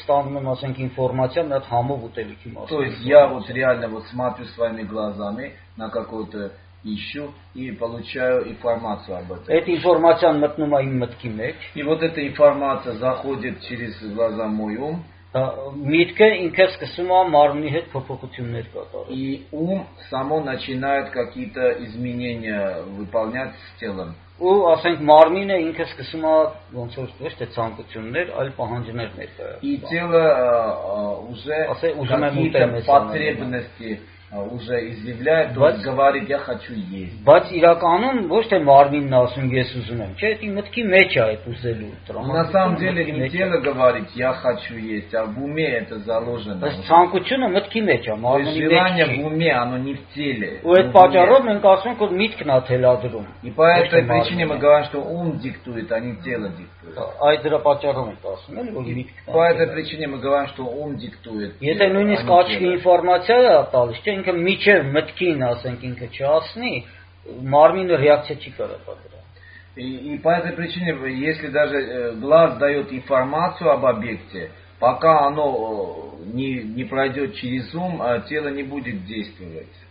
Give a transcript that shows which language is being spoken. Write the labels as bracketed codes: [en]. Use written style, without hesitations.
[ru] То есть я вот реально вот смотрю своими глазами на какую-то ищу и получаю информацию об этом. Эта информация мотнула им мотки меч. И вот эта информация заходит через глаза мой ум. [hy] Միտքը ինքը սկսում է մարմնի հետ փոփոխություններ կատարել։ [ru] И ум само начинает какие-то изменения выполнять с телом։ [hy] Ու ասենք մարմինը ինքը սկսում է ոնց որ ոչ թե ցանկություններ, այլ պահանջներ ներկայացնել։ [ru] И тело уже потребности уже изъявляет, то есть говорит, я хочу есть. [hy] Բայց իրականում ոչ թե մարմինն ասում ես ուզում եմ, չէ, դի մտքի մեջ է այդ ուզելու տրամադրությունը. [ru] На самом деле, не тело говорит, я хочу есть, а в уме это заложено. [hy] Բայց ցանկությունը մտքի մեջ է, մարմինի մեջ։ [ru] То есть желание в уме, оно не в теле. [hy] Ու այդ պատճառով մենք ասում ենք, որ մտքն է թելադրում։ [ru] И по этой причине мы говорим, что ум диктует, а не тело диктует. [hy] Այդ դրա պատճառով ենք ասում, էլի որ մտքն [ru] է։ По этой причине мы говорим, что ум диктует. [hy] Եթե նույնիսկ աչքի ինֆորմացիա է տալիս, չէ՞ ինքը միջև մտքին, ասենք, ինքը չասնի, մարմինը ռեակցիա չի կարող պատրաստել։ [ru] И по этой причине, если даже глаз даёт информацию об объекте, пока оно не пройдёт через ум, тело не будет действовать.